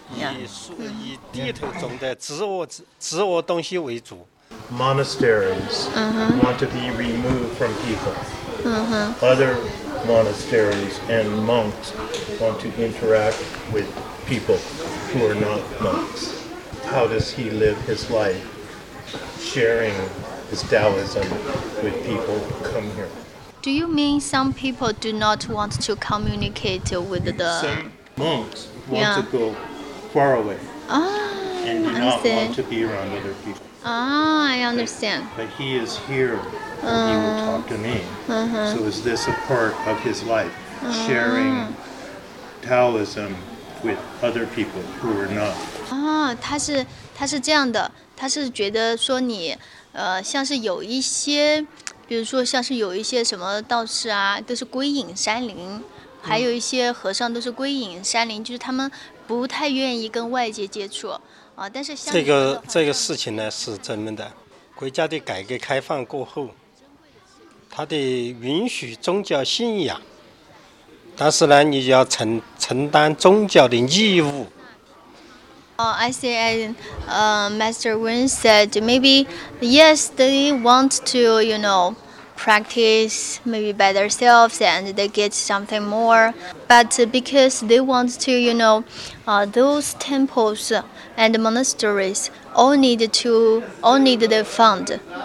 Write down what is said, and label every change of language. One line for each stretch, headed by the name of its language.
Chinese: 以素以地头中的植物东西为主。
English: Monasteries want to be removed from people. Other monasteries and monks want to interact with people who are not monks. How does he live his life, sharing his Taoism with people who come here? Do you mean some people do not want to communicate with the... Some monks want to go far away and do not want to be around other people. Ah, I understand. But he is here and he will talk to me. So is this a part of his life, sharing Taoism with other people who are not?
Chinese: 他是这样的，他是觉得说你，像是有一些，比如说像是有一些什么道士啊，都是归隐山林，还有一些和尚都是归隐山林，就是他们不太愿意跟外界接触，但是像这个事情呢是真的，国家的改革开放过后，他的允许宗教信仰，但是呢，你要承担宗教的义务。
English: Master Wen said maybe, yes, they want to, you know, practice maybe by themselves and they get something more. But because they want to, you know, those temples and monasteries all need fund.